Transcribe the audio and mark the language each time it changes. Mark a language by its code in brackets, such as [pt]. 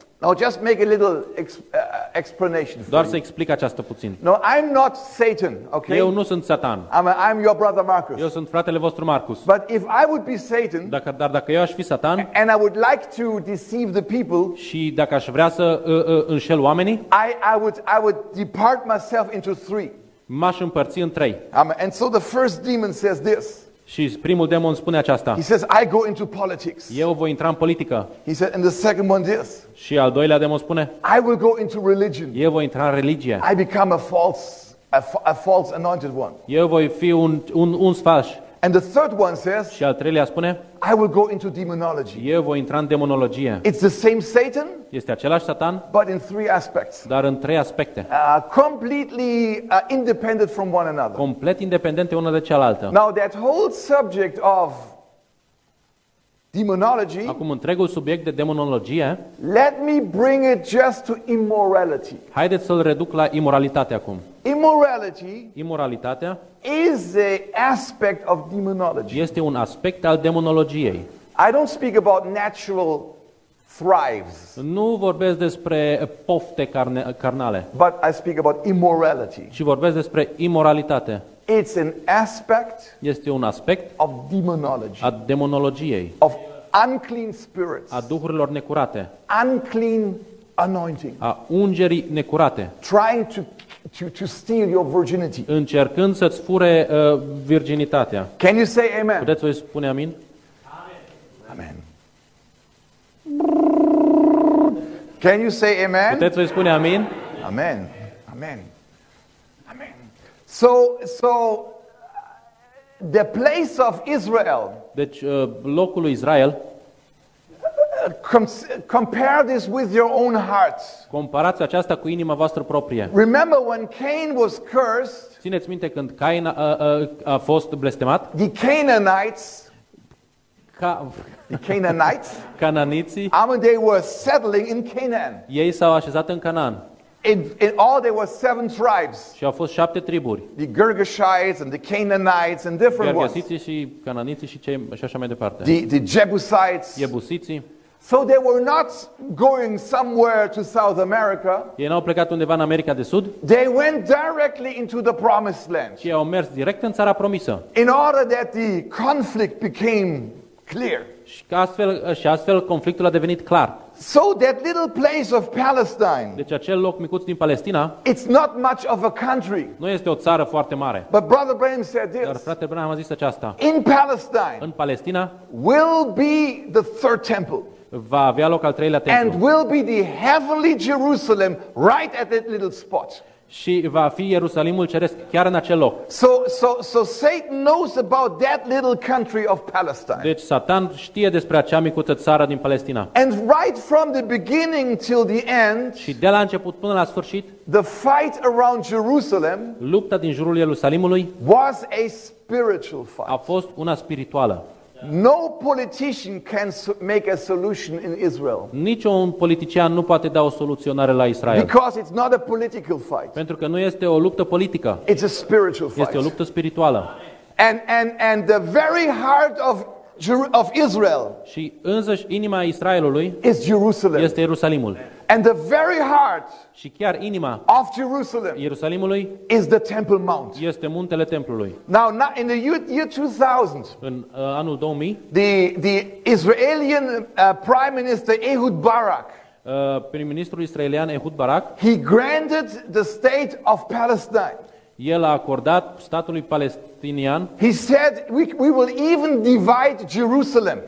[en] Now just make a little explanation. [ro] Doar să explic aceasta puțin. [en] No, I'm not Satan, okay? [ro] Eu nu sunt Satan. [en] I'm your brother Marcus. [ro] Eu sunt fratele vostru Marcus. [en] But if I would be Satan, [ro] dacă eu aș fi Satan, [en] and I would like to deceive the people, [ro] și dacă aș vrea să înșel oamenii, [en] I would depart myself into three. [ro] M-aș împărți în trei. [en] And so the first demon says this. [ro] Și primul demon spune aceasta. [en] He says, I go into politics. [ro] Eu voi intra în politică. [en] He said, and the second one this. [ro] Și al doilea demon spune. [en] I will go into religion. [ro] Eu voi intra în religie. [en] I become a false anointed one. [ro] Eu voi fi un sfâș. [en] And the third one says. [ro] Și al treilea spune. [en] I will go into demonology. [ro] Eu voi intra în demonologie. [en] It's the same Satan. [ro] Este același Satan. [en] But in three aspects. [ro] Dar în trei aspecte. [en] Completely independent from one another. [ro] Complet independente una de cealaltă. [en] Now that whole subject of demonology. [ro] Acum întregul subiect de demonologie. [en] Let me bring it just to immorality. [ro] Haideți să-l reduc la imoralitate acum. [en] Immorality. [ro] Imoralitatea. [en] Is a aspect of demonology. [ro] Este un aspect al demonologiei. [en] I don't speak about natural thrives. [ro] Nu vorbesc despre pofte carnale. [en] But I speak about immorality. [ro] Și vorbesc despre imoralitate. [en] It's an aspect. [ro] Este un aspect [en] of demonology. [ro] A demonologiei. [en] Of unclean spirits. [ro] A duhurilor necurate. [en] Unclean anointing. [ro] A ungerii necurate. [en] Trying to steal your virginity. [ro] Încercând să-ți fure virginitatea. [en] Can you say amen? [ro] Puteți voi spune amin? [en] Amen. Can you say amen? [ro] Puteți voi spune amin? [en] Amen. Amen. Amen. So the place of Israel. [ro] Deci locul lui Israel. [en] Compare this with your own hearts. [ro] Comparați aceasta cu inima voastră proprie. [en] Remember when Cain was cursed? [ro] Țineți minte când Cain a fost blestemat? [en] The Canaanites. The Canaanites. Cananiții. And they were settling in Canaan. [ro] Ei s-au așezat în Canaan. [en] In all there were seven tribes. [ro] Și au fost șapte triburi. [en] The Girgashites and the Canaanites and different ones. [ro] Girgashiții și Cananiții și cei așa mai departe. [en] The Jebusites. [ro] Jebusiții. [en] So they were not going somewhere to South America. [ro] Ei n-au plecat undeva în America de Sud. [en] They went directly into the promised land. [ro] Și au mers direct în țara promisă. [en] In order that the conflict became clear. [ro] Și astfel conflictul a devenit clar. [en] So that little place of Palestine. [ro] Deci acel loc micuț din Palestina. [en] It's not much of a country. [ro] Nu este o țară foarte mare. [en] But Brother Branham said this. [ro] Dar fratele Branham a zis aceasta. [en] In Palestine. [ro] În Palestina. [en] Will be the third temple. [ro] Va avea loc al treilea templu. [en] And will be the heavenly Jerusalem right at that little spot. [ro] Și va fi Ierusalimul ceresc chiar în acel loc. [en] So Satan knows about that little country of Palestine. [ro] Deci Satan știe despre acea micuță țară din Palestina. [en] And right from the beginning till the end. [ro] Și de la început până la sfârșit. [en] The fight around Jerusalem. [ro] Lupta din jurul Ierusalimului. [en] Was a spiritual fight. [ro] A fost una spirituală. [en] No politician can make a solution in Israel. [ro] Niciun politician nu poate da o soluționare la Israel. [en] Because it's not a political fight. [ro] Pentru că nu este o luptă politică. [en] It's a spiritual fight. [ro] Este o luptă spirituală. [en] And the very heart of Israel. [ro] Și însăși inima Israelului. [en] Is Jerusalem. [ro] Este Ierusalimul. [en] And the very heart. [ro] Și chiar inima. [en] Of Jerusalem. [ro] Ierusalimului. [en] Is the Temple Mount. [ro] Este muntele templului. [en] Now in the year 2000. [ro] În anul 2000. [en] The Israeli Prime Minister Ehud Barak. [ro] Prim-ministrul israelian Ehud Barak. [en] He granted the state of Palestine. [ro] El a acordat statului palestinian. [en] He said we will even divide Jerusalem.